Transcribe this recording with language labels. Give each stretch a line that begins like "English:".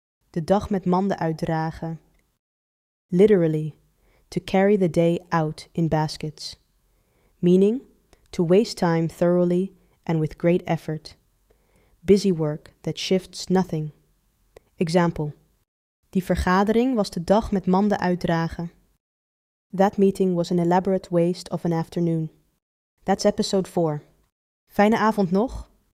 Dutch: De dag met manden uitdragen.
English: Literally, to carry the day out in baskets. Meaning, to waste time thoroughly and with great effort. Busy work that shifts nothing. Example.
Dutch: Die vergadering was de dag met manden uitdragen.
English: That meeting was an elaborate waste of an afternoon. That's episode 4.
Dutch: Fijne avond nog.